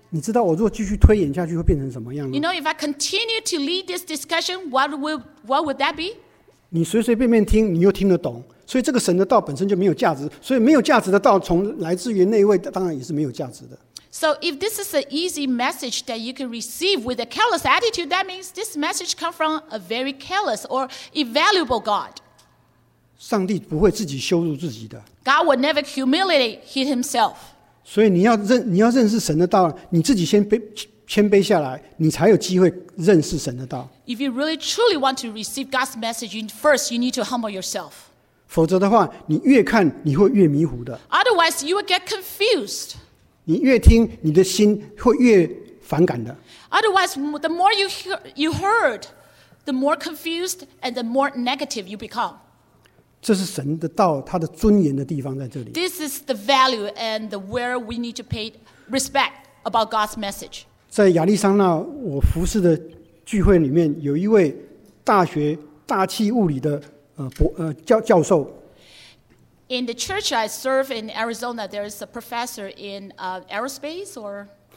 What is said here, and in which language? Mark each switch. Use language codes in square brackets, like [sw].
[zh] 你知道我如果继续推演下去会变成什么样吗 [en] ？You know, if I continue to lead this discussion, what would that be? [zh] 你随随便便听，你又听得懂。所以这个神的道本身就没有价值，所以没有价值的道从来自于那位，当然也是没有价值的。 [en] So if this is an easy message that you can receive with a careless attitude, that means this message comes from a very careless or invaluable God. [zh] 上帝不会自己羞辱自己的。 [en] God will never humiliate Himself. [zh] 所以你要认识神的道，你自己先谦卑下来，你才有机会认识神的道。 [en] If you really truly want to receive God's message, first you need to humble yourself. [zh] 否则的话，你越看你会越迷糊的。 [en] Otherwise, you will get confused. [zh] 你越听，你的心会越反感的。 [en] Otherwise, the more you heard, the more confused and the more negative you become. [zh] 这是神的道，他的尊严的地方在这里。 [en] This is the value and the where we need to pay respect about God's message. [zh] 在亚利桑那我服侍的聚会里面有一位大学大气物理的、教授。 [en] In the church I serve in Arizona, there is a professor in aerospace or...